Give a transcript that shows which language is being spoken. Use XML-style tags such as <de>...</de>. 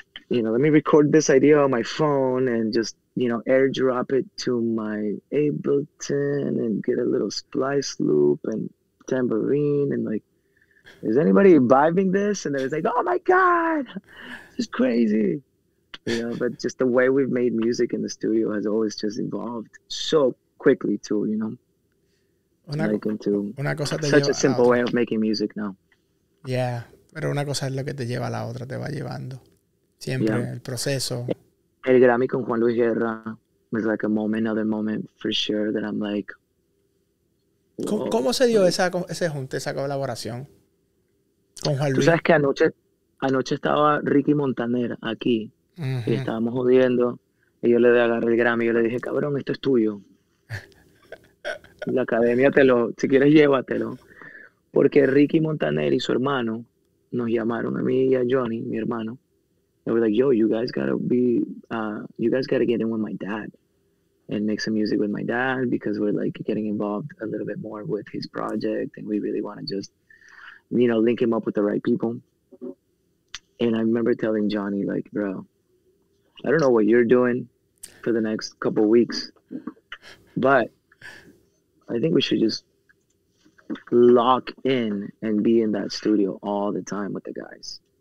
<en>Let me record this idea on my phone and just, you know, airdrop it to my Ableton and get a little splice loop and tambourine and like, is anybody vibing this? And then it's like, oh my god, this is crazy, you know. But just the way we've made music in the studio has always just evolved so quickly too, you know, into such a simple way of making music now.</en> <es>Yeah, pero una cosa es lo que te lleva a la otra, te va llevando. Siempre, el proceso.</es> <en>El Grammy con Juan Luis Guerra was like a moment, another moment for sure that I'm like, whoa.</en> <es>¿Cómo se dio ese junte, esa colaboración con Juan Luis? Tú sabes que anoche estaba Ricky Montaner aquí, y estábamos jodiendo, y yo le agarré el Grammy, y yo le dije, cabrón, esto es tuyo. La academia te lo, si quieres, llévatelo. Porque Ricky Montaner y su hermano nos llamaron a mí y a Johnny, mi hermano,</es> <en>They were like, yo, you guys gotta be, you guys gotta get in with my dad and make some music with my dad, because we're like getting involved a little bit more with his project, and we really want to just, you know, link him up with the right people. And I remember telling Johnny, like, bro, I don't know what you're doing for the next couple of weeks, but I think we should just lock in and be in that studio all the time with the guys.</en>